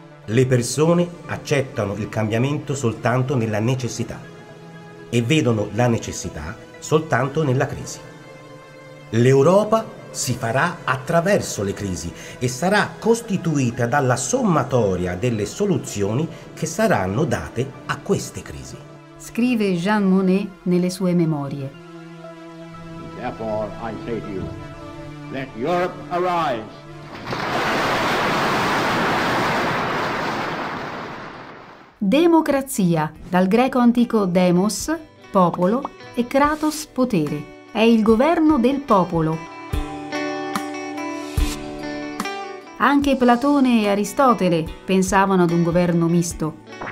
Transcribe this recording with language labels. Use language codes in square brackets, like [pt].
[it] Le persone accettano il cambiamento soltanto nella necessità e vedono la necessità soltanto nella crisi. L'Europa si farà attraverso le crisi e sarà costituita dalla sommatoria delle soluzioni che saranno date a queste crisi. Scrive Jean Monnet nelle sue memorie. [en] Therefore I say to you, let Europe arise. [it] Democrazia, dal greco antico demos, popolo, e kratos, potere. È il governo del popolo. Anche Platone e Aristotele pensavano ad un governo misto.